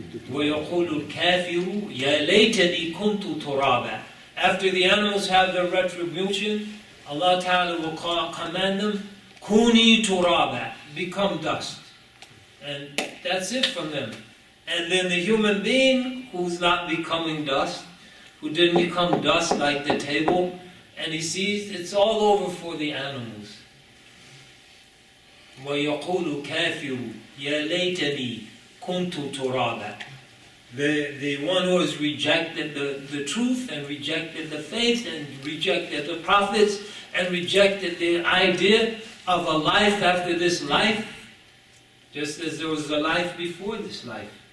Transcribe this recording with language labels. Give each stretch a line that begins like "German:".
Arabic: وَيَقُولُ الْكَافِرُ يَا لَيْتَنِي كُنْتُ تُرَابًا.
English: After the animals have their retribution, Allah Ta'ala will command them,
Arabic: كُونِي تُرَابًا,
English: become dust. And that's it from them. And then the human being who's not becoming dust, who didn't become dust like the table, and he sees it's all over for the animals.
Arabic: وَيَقُولُ كَافِرُ يَا لَيْتَنِي كُنْتُ تُرَابًا.
English: The one who has rejected the truth, and rejected the faith, and rejected the prophets, and rejected the idea of a life after this life, just as there was a life before this life.